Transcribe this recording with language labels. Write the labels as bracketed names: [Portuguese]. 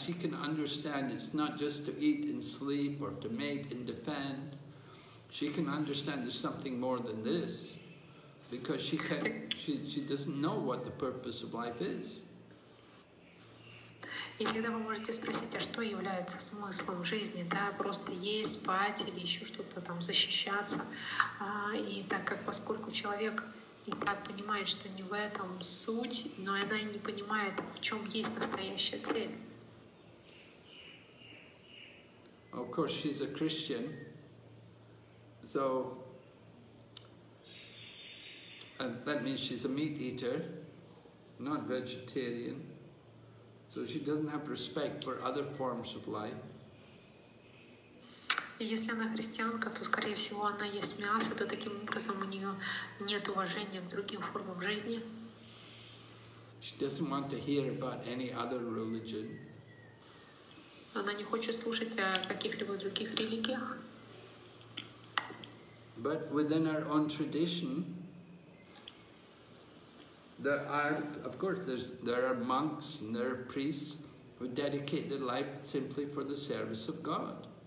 [English] She can understand it's not just to eat and sleep or to mate and defend. She can understand there's something more than this, because she doesn't know what the purpose of life is. [Russian] Иногда вы можете спросить, а что является смыслом жизни, да, просто есть, спать или еще что-то там, защищаться. И так как, поскольку человек и так понимает, что не в этом суть, но она и не понимает, в чем есть настоящая цель. [English] Of course, she's a Christian, so that means she's a meat eater, not vegetarian. So she doesn't have respect for other forms of life. [Russian] Если она христианка, то, скорее всего, она ест мясо, то таким образом у нее нет уважения к другим формам жизни. [English] She doesn't want to hear about any other religion. [Russian] Она не хочет слушать о каких-либо других религиях. [English] But within our own tradition, there are monks and there are priests who dedicate their life simply for the service of God.